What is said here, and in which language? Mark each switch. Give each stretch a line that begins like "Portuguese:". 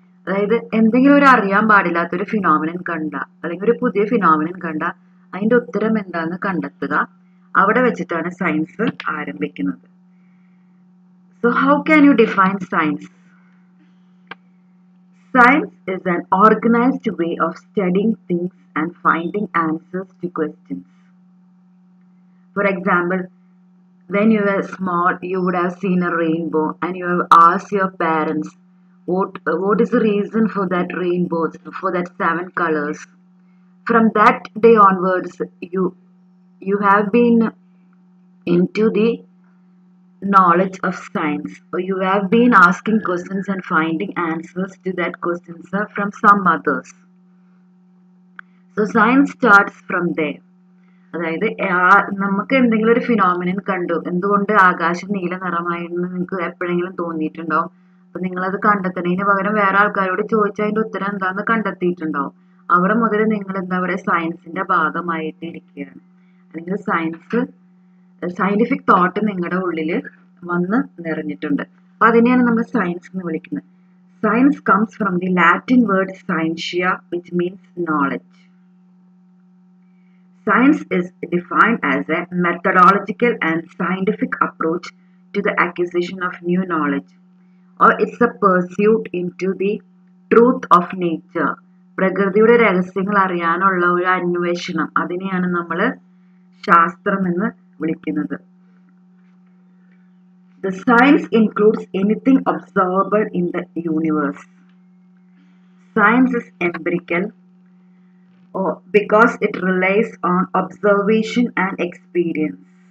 Malayalam: അതായത് എന്തെങ്കിലും ഒരു അറിയാൻ പാടില്ലാത്ത ഒരു ഫിനോമിനൻ കണ്ട, അല്ലെങ്കിൽ ഒരു പുതിയ ഫിനോമിനൻ കണ്ട, അതിൻ്റെ ഉത്തരം എന്താണെന്ന് കണ്ടെത്തുക, അവിടെ വെച്ചിട്ടാണ് സയൻസ് ആരംഭിക്കുന്നത്.
English: So how can you define science? Science is an organised way of studying things and finding answers to questions. For example, when you were small, you would have seen a rainbow and you have asked your parents what is the reason for that rainbow, for that seven colors. From that day onwards, you have been into the knowledge of science, or you have been asking questions and finding answers to that questions from some others. So science starts from there.
Malayalam: അതായത് നമുക്ക് എന്തെങ്കിലും ഒരു phenomenon കണ്ടു, എന്തുകൊണ്ട് ആകാശം നീല നിറമായിരുന്നു നിങ്ങൾക്ക് എപ്പോഴെങ്കിലും തോന്നിയിട്ടുണ്ടാവും. അപ്പൊ നിങ്ങളത് കണ്ടെത്തണതിന് പകരം വേറെ ആൾക്കാരോട് ചോദിച്ചാൽ അതിന്റെ ഉത്തരം എന്താന്ന് കണ്ടെത്തിയിട്ടുണ്ടാവും. അവിടെ മുതൽ നിങ്ങൾ എന്താ പറയുക, സയൻസിന്റെ ഭാഗമായിട്ട് ഇരിക്കുകയാണ്, അല്ലെങ്കിൽ സയൻസ് സയന്റിഫിക് തോട്ട് നിങ്ങളുടെ ഉള്ളിൽ വന്ന് നിറഞ്ഞിട്ടുണ്ട്. അപ്പൊ അതിനെയാണ് നമ്മൾ സയൻസ് എന്ന് വിളിക്കുന്നത്.
English: Science comes from the Latin word scientia, which means knowledge. Science is defined as a methodological and scientific approach to the acquisition of new knowledge, or it's a pursuit into the truth of nature.
Malayalam: പ്രകൃതിയുടെ രഹസ്യങ്ങൾ അറിയാനുള്ള ഒരു അന്വേഷണം, അതിനെയാണ് നമ്മൾ ശാസ്ത്രം എന്ന് വിളിക്കുന്നത്.
English: The science includes anything observable in the universe. Science is empirical. Oh, because it relies on observation and experience.